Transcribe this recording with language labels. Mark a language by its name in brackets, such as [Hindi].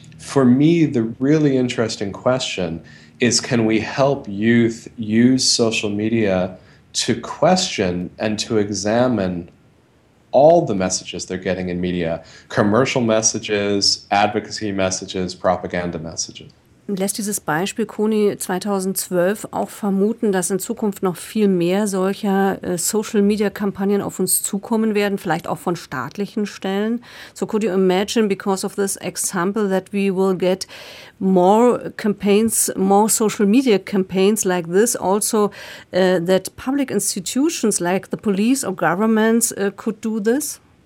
[English] For me, the really interesting question is, can we help youth use social media to question and to examine all the messages they're getting in media, commercial messages, advocacy messages, propaganda messages? [German] Lässt dieses Beispiel Kony 2012 auch vermuten, dass in Zukunft noch viel mehr solcher Social-Media-Kampagnen auf uns zukommen werden, vielleicht auch von staatlichen Stellen? [English] So could you imagine, because of this example, that we will get more campaigns, more social-media campaigns like this also, that public institutions like the police or governments could do this?